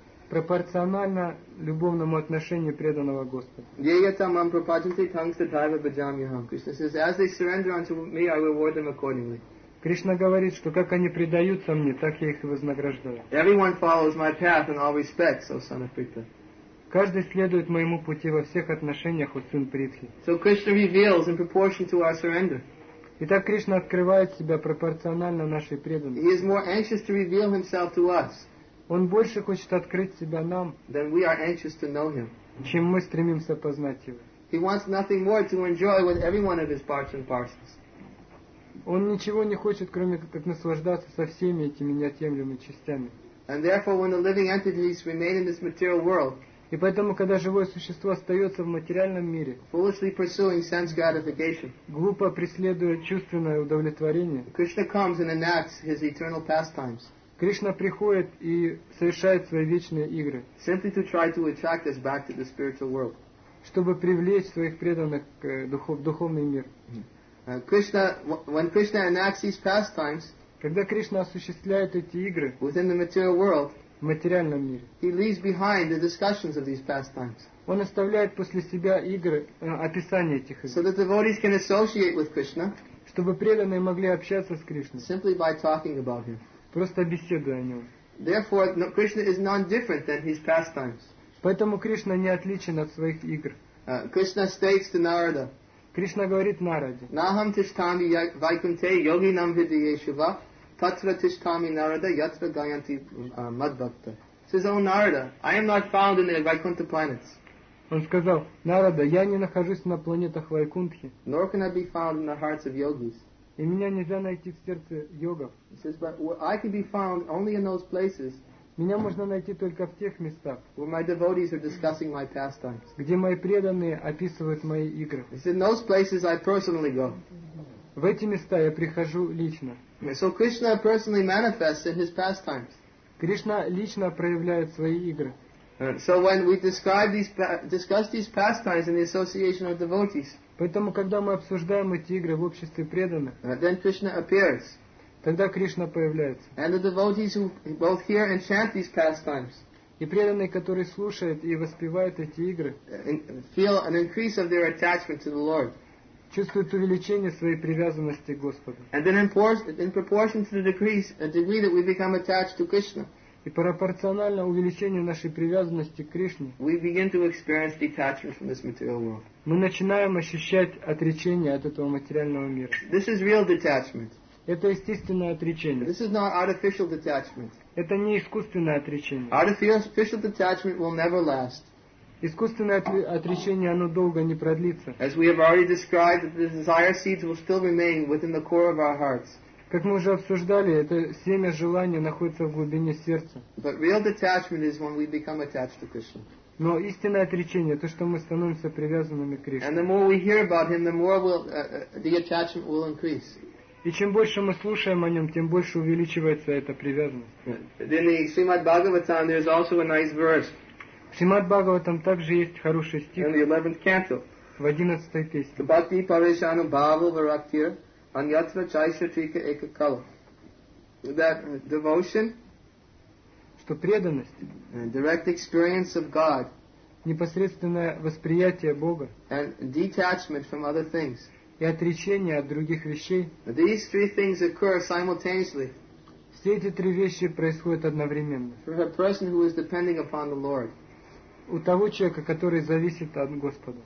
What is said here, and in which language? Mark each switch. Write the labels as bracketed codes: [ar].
[ru] Пропорционально любовному отношению преданного Господа. [sa] Yeyatamam prapajante tangsa daiva bhajamyaham. [en] Krishna says, as they surrender unto me, I reward them accordingly. [ru] Кришна говорит, что как они предаются мне, так я их и вознаграждаю. [en] Everyone follows my path in all respects, O son of Pritha. [ru] Каждый следует моему пути во всех отношениях, у сын Притхи. [en] So Krishna reveals in proportion to our surrender. [ru] Итак, Кришна открывает себя пропорционально нашей преданности. [en] He is more anxious to reveal himself to us. [ru] Он больше хочет открыть себя нам, [en] than we are anxious to know him. [ru] Чем мы стремимся познать его. [en] He wants nothing more to enjoy with every one of his parts and parcels. [ru] Он ничего не хочет, кроме как наслаждаться со всеми этими неотъемлемыми частями. [en] And therefore, when the living entities remain in this material world, [ru] и поэтому, когда живое существо остается в материальном мире, [en] foolishly pursuing sense gratification, [ru] глупо преследуя чувственное удовлетворение, [en] Krishna comes and enacts his eternal pastimes. [ru] Кришна приходит и совершает свои вечные игры, [en] simply to try to attract us back to the spiritual world, [ru] чтобы привлечь своих преданных к духовный мир. [en] Krishna, when Krishna enacts these pastimes, [ru] когда Кришна осуществляет эти игры [en] within the material world, [ru] в материальном мире, [en] he leaves behind the discussions of these pastimes. [ru] Он оставляет после себя игры, описание этих игр, [en] so that devotees can associate with Krishna, [ru] чтобы преданные могли общаться с Кришной, [en] simply by talking about him. [ru] Просто беседуя о нем. [en] Therefore, no, Krishna is none different than his pastimes. [ru] Поэтому Кришна не отличен от своих игр. [en] Krishna states to Narada. [ru] Кришна говорит Нараде. [sa] Наһам тиштами вайкунте йогинам видиешува. Tatra tishtami Narada yatra gayanti madbhakta. [en] Says, O Narada, I am not found in the Vaikuntha planets. [ru] Он сказал, Нарада, я не нахожусь на планетах Вайкунтхи. [en] Nor can I be found in the hearts of yogis. [ru] И меня нельзя найти в сердце йогов. [en] He says, but I can be found only in those places. [ru] Меня можно найти только в тех местах, [en] where my devotees are discussing my pastimes. [ru] Где мои преданные описывают мои игры. [en] It's in those places I personally go. [ru] В эти места я прихожу лично. [en] So Krishna personally manifests in his pastimes. [ru] Кришна лично проявляет свои игры. [en] So when we describe these discuss these pastimes in the association of devotees, [ru] поэтому когда мы обсуждаем эти игры в обществе преданных, [en] then Krishna appears. [ru] Тогда Кришна появляется. [en] And the devotees who both hear and chant these pastimes, [ru] и преданные, которые слушают и воспевают эти игры, [en] feel an increase of their attachment to the Lord. [ru] Чувствует увеличение своей привязанности к Господу. [en] And then in proportion to the decrease, a degree that we become attached to Krishna. [ru] И пропорционально увеличению нашей привязанности к Кришне. [en] We begin to experience detachment from this material world. [ru] Мы начинаем ощущать отречение от этого материального мира. [en] This is real detachment. [ru] Это естественное отречение. [en] This is not artificial detachment. [ru] Это не искусственное отречение. [en] Artificial detachment will never last. [ru] Искусственное отречение, оно долго не продлится. [en] As we have already described, the desire seeds will still remain within the core of our hearts. [ru] Как мы уже обсуждали, это семя желания находится в глубине сердца. [en] But real detachment is when we become attached to Krishna. [ru] Но истинное отречение – то, что мы становимся привязанными к Кришне. [en] And the more we hear about him, the more will, the attachment will increase. [ru] И чем больше мы слушаем о нем, тем больше увеличивается эта привязанность. [en] In the Srimad Bhagavatam, there is also a nice verse. [ru] В Шримад Бхагаватам также есть хороший стих. [en] In the 11th canto. [ru] В 11-й песне. [sa] Bhakti Pareshanu Bhavu Varaktir Anyatra Chaisha Trika Eka Kala. [en] That devotion, [ru] что преданность, [en] and direct experience of God, [ru] непосредственное восприятие Бога, [en] and detachment from other things, [ru] и отречение от других вещей, [en] these three things occur simultaneously. [ru] Все эти три вещи происходят одновременно. [en] For a person who is depending upon the Lord, [ru] у того человека, который зависит от Господа.